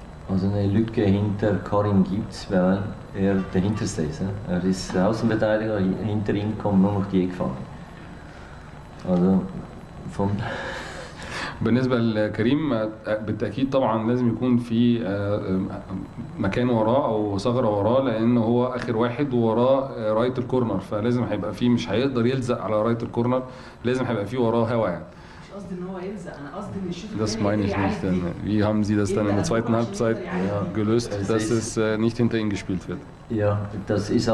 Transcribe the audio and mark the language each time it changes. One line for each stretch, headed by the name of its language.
German: Also eine Lücke hinter Karim gibt es, weil er der Hinterste ist. Er ist Außenverteidiger, hinter ihm kommen nur noch die Eckfahne. Also von.
Arabic: بالنسبة لكريم بالتأكيد طبعا لازم يكون في مكان وراه أو ثغرة وراه لأن هو آخر واحد وراه رايت الكورنر، فلازم هيبقى فيه، مش هيقدر يلزق على رايت الكورنر، لازم هيبقى فيه وراه هوا يعني. مش قصدي إن هو يلزق، أنا قصدي إن الشوط الثاني.
German: Wie haben Sie das dann in der zweiten